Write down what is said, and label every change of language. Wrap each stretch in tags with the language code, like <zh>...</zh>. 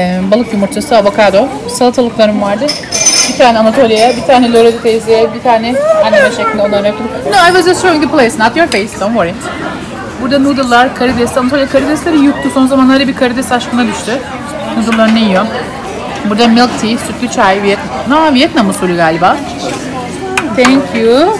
<tr>Balık yumurtası, avokado. Salatalıklarım vardı. Bir tane Anatolia'ya, bir tane Loredo teyzeye, bir tane anneme şeklinde onlara yaptım.</tr> <en>No, I was just showing the place, not your face, don't worry.</en> <tr>Burada noodle'lar, karides. Anatolia karidesleri yuttu. Son zamanlarda bir karides aşkına düştü. Noodle'larını yiyor. Burada milk tea, sütlü çay, Vietnam usulü galiba.</tr> <en>Thank you.</en>